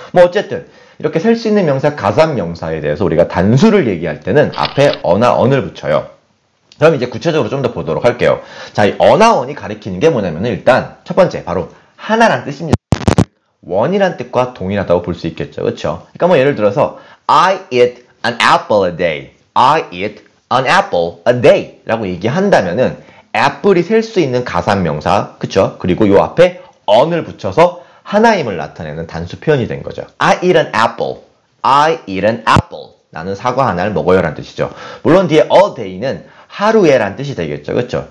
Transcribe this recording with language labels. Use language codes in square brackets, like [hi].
[ko] 뭐 어쨌든 이렇게 셀 수 있는 명사, 가산 명사에 대해서 우리가 단수를 얘기할 때는 앞에 어나 언을 붙여요. 그럼 이제 구체적으로 좀 더 보도록 할게요. 자, 이 어나 언이 가리키는 게 뭐냐면은 일단 첫 번째, 바로 하나란 뜻입니다. 원이란 뜻과 동일하다고 볼 수 있겠죠. 그렇죠? 그러니까 뭐 예를 들어서 [en] I eat an apple a day. I eat an apple a day [ko] 라고 얘기한다면은 apple이 셀 수 있는 가산 명사, 그렇죠? 그리고 요 앞에 언을 붙여서 하나임을 나타내는 단수 표현이 된 거죠. [en] I eat an apple. I eat an apple. [ko] 나는 사과 하나를 먹어요 라는 뜻이죠. 물론 뒤에 a day는 하루에란 뜻이 되겠죠. 그렇죠?